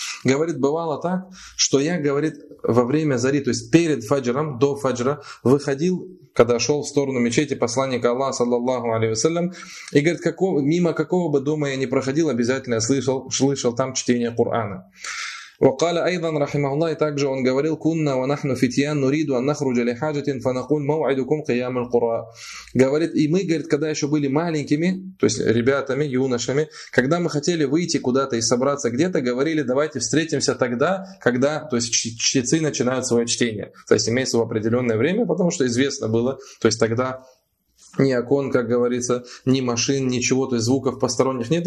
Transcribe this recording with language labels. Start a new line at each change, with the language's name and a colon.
Russian: Говорит, бывало так, что я, говорит, во время зари, то есть перед фаджром, до фаджра, выходил, когда шел в сторону мечети посланника Аллаха, саллаллаху алейхи саллям, и говорит, мимо какого бы дома я ни проходил, обязательно я слышал там чтение Корана.
Arabic: وَقَالَ أَيْضًا رَحِمَهُ اللَّهِ
Russian: Также он говорил:
Arabic: «Кунна وَنَحْنُ فِتْيَان نُرِيدُ أَنْ نَخْرُجَ لِحَاجَةٍ فَنَقُولْ مَوْعِدُكُمْ قِيَامُ الْقُرَى».
Russian: Говорит, и мы, говорит, когда еще были маленькими, то есть ребятами, юношами, когда мы хотели выйти куда-то и собраться где-то, говорили: «Давайте встретимся тогда, когда, то есть чтецы начинают свое чтение». То есть имеется в определенное время, потому что известно было, то есть тогда ни окон, как говорится, ни машин, ничего, то есть звуков посторонних нет.